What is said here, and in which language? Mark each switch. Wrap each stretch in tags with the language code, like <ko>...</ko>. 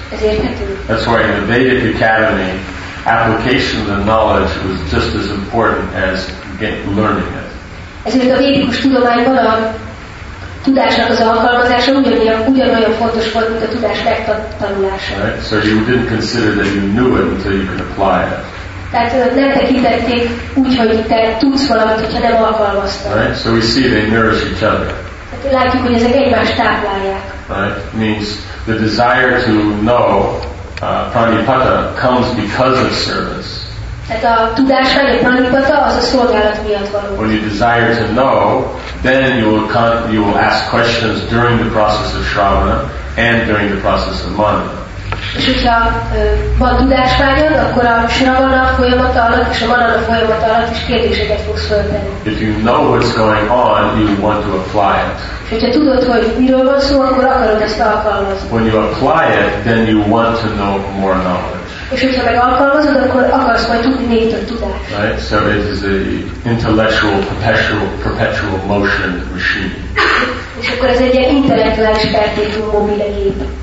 <hu>Ez érthető.</hu> <en>That's why in the Vedic Academy, application of the knowledge was just as important as learning it.</en> <hu>Ezért a védikus tudományban a tudásnak az alkalmazása ugyanolyan fontos volt, mint a tudás megtanulása.</hu> <en>Right? So you didn't consider that you knew it until you could apply it.</en> <hu>Tehát nem tekintették úgy, hogy te tudsz valamit, hogyha nem alkalmaztad.</hu> <en>Right? So we see they nourish each other.</en> <hu>Tehát látjuk, hogy ezek egymást táplálják.</hu> <en>Right? Means the desire to know Pranipata comes because of service.</en> <hu>Tehát a tudás vagy a Pranipata az a szolgálat miatt való.</hu> <en>When you desire to know, then you will ask questions during the process of Shravana and during the process of Mana.</en> <hu>És hogyha van tudásvágyad, akkor a Shravana folyamata alatt és a Manana folyamata alatt is kérdéseket fogsz föltenni.</hu> <en>If you know what's going on, you want to apply it.</en> <hu>És hogyha tudod, hogy miről van szó, akkor akarod ezt alkalmazni.</hu> <en>When you apply it, then you want to know more knowledge.</en> <hu>És hogyha meg alkalmazod, akkor akarsz majd tudni még több tudást.</hu> <en>Right? So it is an intellectual, perpetual motion machine.</en> <hu>És akkor ez egy ilyen intellektuális perpetuum mobile gép.</hu>